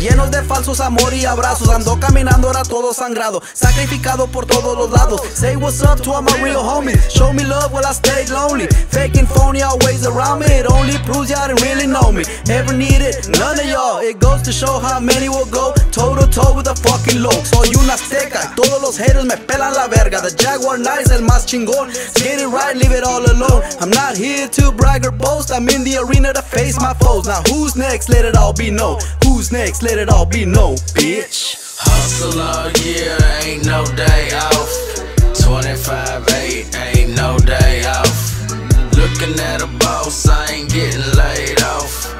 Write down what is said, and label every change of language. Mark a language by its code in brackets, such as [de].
[es] Llenos de falsos amor y abrazos. Ando caminando ahora todo sangrado. Sacrificado por todo. [en] Say what's up to all my real homies. Show me love while I stay lonely. Faking phony always around me. It only proves y'all didn't really know me. Ever needed none of y'all. It goes to show how many will go toe to toe with a fucking low. [es] Soy una seca. Todos los haters me pelan la verga. The Jaguar Knight's el más chingón. [en] Get it right, leave it all alone. I'm not here to brag or boast. I'm in the arena to face my foes. Now who's next? Let it all be known. Who's next? Let it all be known, bitch. Hustle all year, ain't no day off. 25-8, ain't no day off. Looking at a boss, I ain't getting laid off.